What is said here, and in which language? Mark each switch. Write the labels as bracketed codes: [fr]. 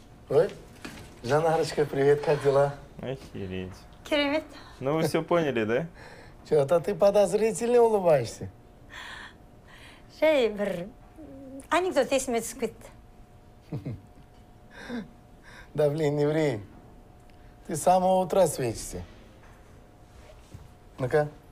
[ru] Ой, Жанарочка, привет, как дела? Охереть. [kk] Керемет. [ru] Ну, вы все поняли, да? Чего-то ты подозрительно улыбаешься. [kk] Жей, бір анекдот есіме түсіп кетті. [ru] Да, блин, не ври. Ты с самого утра светишься. Ну-ка.